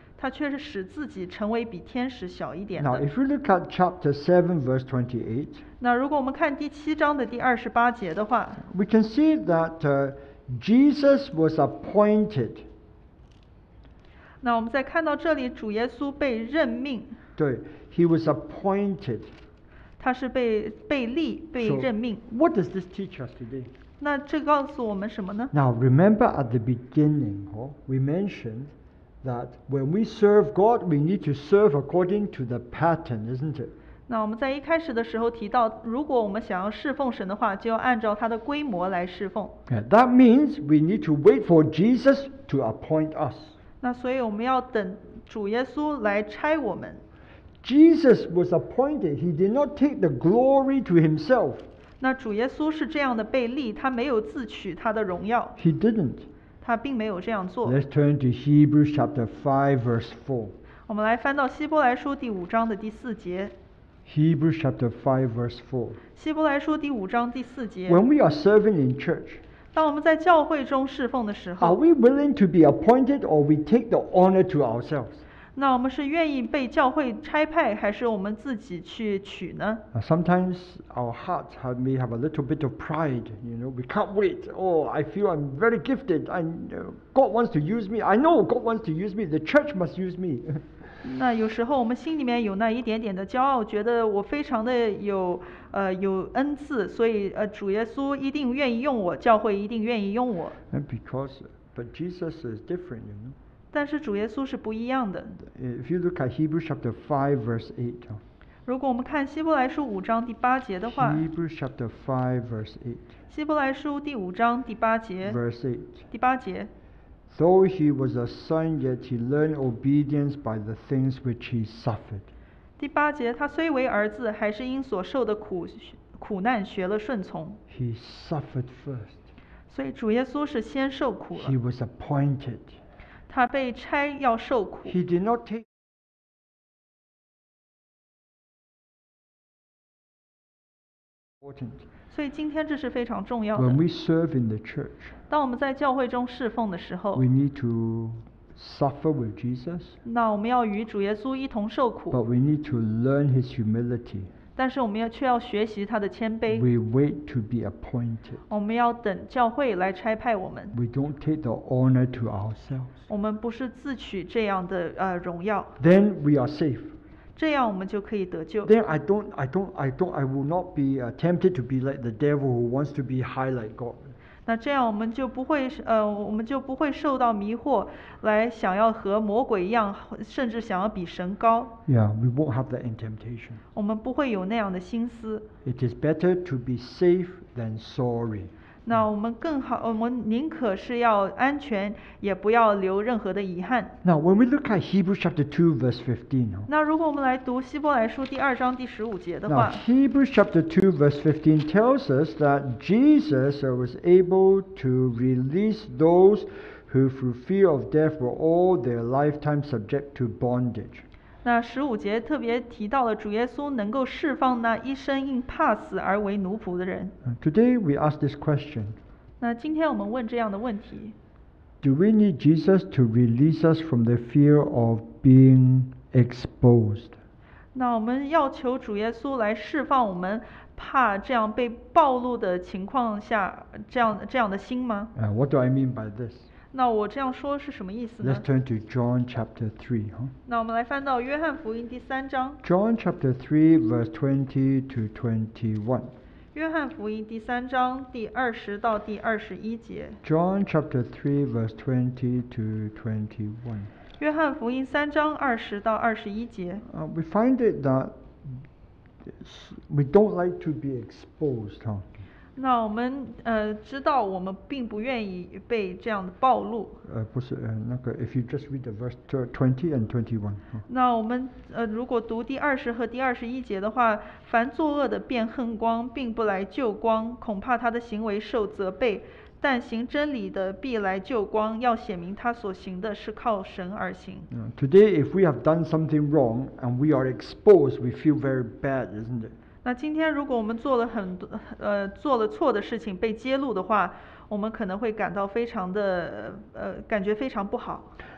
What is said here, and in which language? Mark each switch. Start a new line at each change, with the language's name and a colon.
Chinese: 他却是使自己成为比天使小一点的。
English: Now, if you look at chapter 7, verse 28,
Chinese: 那如果我们看第七章的第二十八节的话，
English: we can see that Jesus was appointed.
Chinese: 那我们再看到这里，主耶稣被任命。对，
English: he was appointed.
Chinese: 他是被任命。
English: So, what does this teach us today?
Chinese: 那这告诉我们什么呢？
English: Now remember at the beginning, oh, we mentioned that when we serve God, we need to serve according to the pattern, isn't it?
Chinese: 那我们在一开始的时候提到，如果我们想要侍奉神的话，就要按照他的规模来侍奉。
English: Yeah, that means we need to wait for Jesus to appoint us.
Chinese: 那所以我们要等主耶稣来差我们。
English: Jesus was appointed. He did not take the glory to himself.
Chinese: 那主耶稣是这样的被立，他没有自取他的荣耀。
English: He didn't.
Chinese: 他并没有这样做。
English: Let's turn to Hebrews chapter 5, verse 4.
Chinese: 我们来翻到希伯来书第五章的第四节。
English: Hebrews chapter 5, verse 4.
Chinese: 希伯来书第五章第四节。
English: When we are serving in church,
Chinese: 当我们在教会中侍奉的时候，
English: are we willing to be appointed or we take the honor to ourselves?
Chinese: 那我们是愿意被教会差派，还是我们自己去取呢？
English: Sometimes our hearts may have a little bit of pride. You know, we can't wait. Oh, I feel I'm very gifted. And God wants to use me. I know God wants to use me. The church must use me.
Chinese: 那有时候我们心里面有那一点点的骄傲，觉得我非常的有恩赐，所以主耶稣一定愿意用我，教会一定愿意用我。
English: And but Jesus is different, you know.
Chinese: 但是主耶稣是不一样的。
English: If you look at Hebrews chapter 5 verse 8,
Chinese: 如果我们看希伯来书五章第八节的话，
English: Hebrews chapter 5 verse 8,
Chinese: 希伯来书第五章第八节，
English: verse 8,
Chinese: 第八节，
English: Though he was a son, yet he learned obedience by the things which he suffered.
Chinese: 第八节，他虽为儿子，还是因所受的苦难学了顺从。
English: He suffered first.
Chinese: 所以主耶稣是先受苦了。
English: He was appointed.
Chinese: 他被差要受苦。
English: He did not take important.
Chinese: 所以今天这是非常重要的。
English: When we serve in the church,
Chinese: 当我们在教会中侍奉的时候，
English: we need to suffer with Jesus.
Chinese: 那我们要与主耶稣一同受苦。
English: But we need to learn His humility.
Chinese: 但是我们却要学习他的谦卑。
English: We wait to be appointed.
Chinese: 我们要等教会来差派我们。
English: We don't take the honor to ourselves.
Chinese: 我们不是自取这样的荣耀。
English: Then we are safe.
Chinese: 这样我们就可以得救。
English: Then I will not be tempted to be like the devil who wants to be high like God.
Chinese: 那这样我们就不会我们就不会受到迷惑，来想要和魔鬼一样，甚至想要比神高。
English: Yeah, we won't have that in temptation.
Chinese: 我们不会有那样的心思。
English: It is better to be safe than sorry.
Chinese: 那我们更好，我们宁可是要安全，也不要留任何的遗憾。
English: Now, when we look at Hebrews chapter 2, verse 15,
Chinese: 那如果我们来读希伯来书第二章第十五节的话，
English: Now, Hebrews chapter 2, verse 15 tells us that Jesus was able to release those who through fear of death were all their lifetime subject to bondage.
Chinese: 那十五节特别提到了主耶稣能够释放那一生因怕死而为奴仆的人。
English: Today we ask this question.
Chinese: 那今天我们问这样的问题。
English: Do we need Jesus to release us from the fear of being exposed?
Chinese: 那我们要求主耶稣来释放我们怕这样被暴露的情况下这样的心吗？
English: What do I mean by this?
Chinese: 那我这样说是什么意思呢？
English: Let's turn to John chapter 3.
Chinese: 那我们来翻到约翰福音第三章。
English: John chapter 3 verse 20 to 21.
Chinese: 约翰福音第三章第二十到第二十一节。
English: John chapter 3 verse 20 to 21.
Chinese: 约翰福音三章二十到二十一节。
English: We find it that we don't like to be exposed, huh?
Chinese: 那我们知道我们并不愿意被这样的暴露。不是那个
English: ，if you just read the verse 20 and 21。
Chinese: 那我们如果读第二十和第二十一节的话，凡作恶的便恨光，并不来救光，恐怕他的行为受责备；但行真理的必来救光，要显明他所行的是靠神而行。
English: Today, if we have done something wrong and we are exposed, we feel very bad, isn't it?
Chinese: 那今天如果我们做了很多做了错的事情被揭露的话，我们可能会感到非常的感觉非常不好。